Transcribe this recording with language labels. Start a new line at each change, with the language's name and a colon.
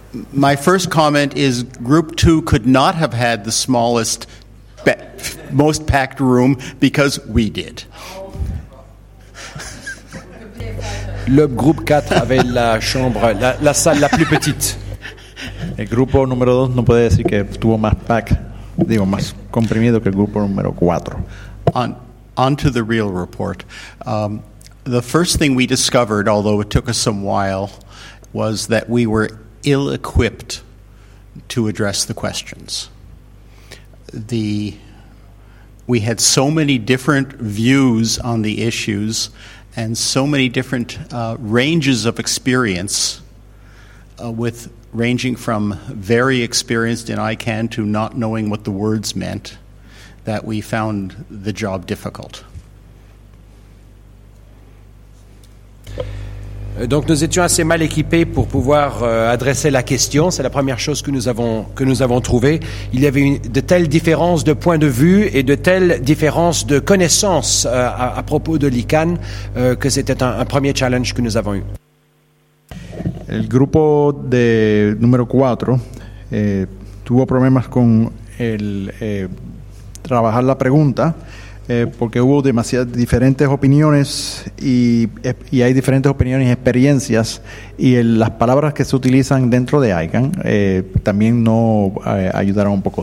English: My first comment is Group 2 could not have had the smallest, most packed room because we did.
French: Le groupe 4 avait la chambre, la salle la plus petite.
Spanish: El grupo número 2 no puede decir que tuvo más packed, digo, más comprimido que el grupo número 4.
English: On to the real report. The first thing we discovered, although it took us some while, was that we were ill-equipped to address the questions. We had so many different views on the issues and so many different ranges of experience, with ranging from very experienced in ICANN to not knowing what the words meant, that we found the job difficult.
French: Donc nous étions assez mal équipés pour pouvoir adresser la question. C'est la première chose que nous avons trouvée. Il y avait de telles différences de points de vue et de telles différences de connaissances à propos de l'ICANN que c'était un premier challenge que nous avons eu.
Spanish: El grupo de número 4 tuvo problemas con el trabajar la pregunta porque hubo demasiadas diferentes opiniones y hay diferentes opiniones y experiencias y las palabras que se utilizan dentro de ICANN también no ayudaron un poco.